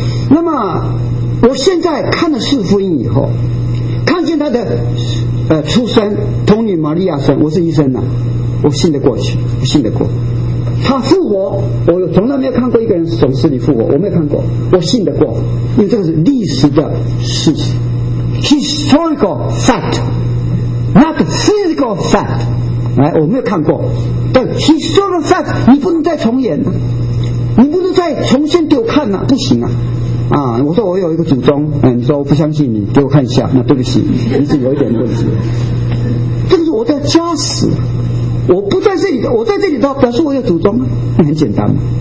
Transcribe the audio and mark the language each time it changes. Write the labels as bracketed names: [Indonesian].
[Chinese] 那么，我现在看了四福音以后，看见他的出生，童女玛利亚生，我是医生呐，我信得过去，我信得过。他复活，我从来没有看过一个人从死里复活，我没有看过，我信得过，因为这个是历史的事实。 [English] Historical fact, not physical fact. [Chinese] 哎，我没有看过。但 [English] historical fact, [Chinese] 你不能再重演，你不能再重新给我看了，不行啊！啊，我说我有一个祖宗，哎，你说我不相信你，给我看一下。那对不起，你是有一点问题。这是我的家史，我不在这里，我在这里的话，表示我有祖宗，那很简单嘛。